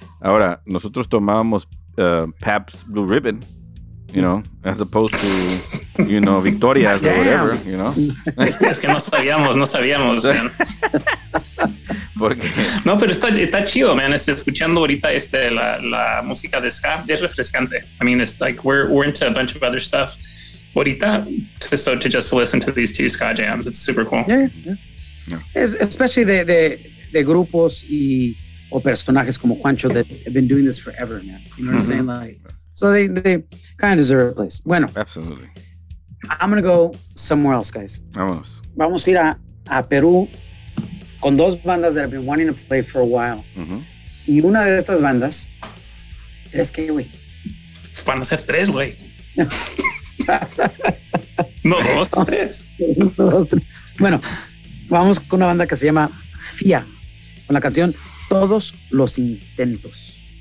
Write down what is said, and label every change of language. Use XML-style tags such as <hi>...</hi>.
<es>Ahora, nosotros tomábamos</es> <en>Pabst Blue Ribbon, you know, as opposed to, you know, Victoria's or whatever, you know.</en> <es>Es que no sabíamos, man. Porque no, pero está chido, man. Estoy escuchando ahorita la música de ska, es refrescante.</es> <en>I mean, it's like we're into a bunch of other stuff ahorita, so to just listen to these two ska jams, it's super cool. Yeah, yeah. Yeah. Especially</en> <es>de grupos y o personajes como</es> <en>Juancho that have been doing this forever, man. You know what I'm saying? Like, so they kind of deserve a place.</en> <es>Bueno,</es> <en>absolutely. I'm gonna go somewhere else, guys.</en> <es>Vamos. Vamos a ir a Perú con dos bandas</es> <en>that I've been wanting to play for a while.</en> <es>Y una de estas bandas, ¿tres qué, güey? Van a ser tres, güey. No, dos, tres. Bueno, vamos con una banda que se llama FIA, con la canción Todos los Intentos.</es>